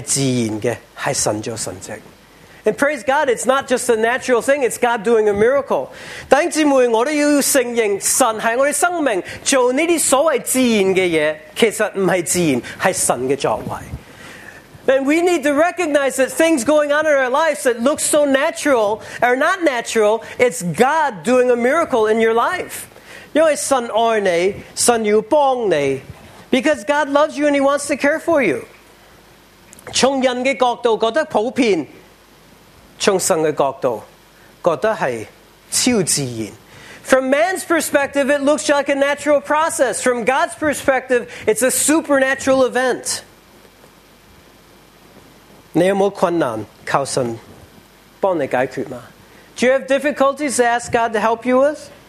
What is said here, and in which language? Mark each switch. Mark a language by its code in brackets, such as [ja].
[zh] 感谢主,不是自然的,是神做神迹. [en] And praise God, it's not just a natural thing, it's God doing a miracle. [zh] 弟兄姊妹,我们要承认,神是我们生命,做这些所谓自然的事,其实不是自然,是神的作为. [en] And we need to recognize that things going on in our lives that look so natural, are not natural, it's God doing a miracle in your life. [zh] 因为神爱你,神要帮你, [en] because God loves you and He wants to care for you. [zh] 从人的角度觉得普遍, 从神的角度觉得是超自然. [en] From man's perspective, it looks like a natural process. From God's perspective, it's a supernatural event. [zh] 你有没有困难,靠神帮你解决吗? [en] Do you have difficulties to ask God to help you with?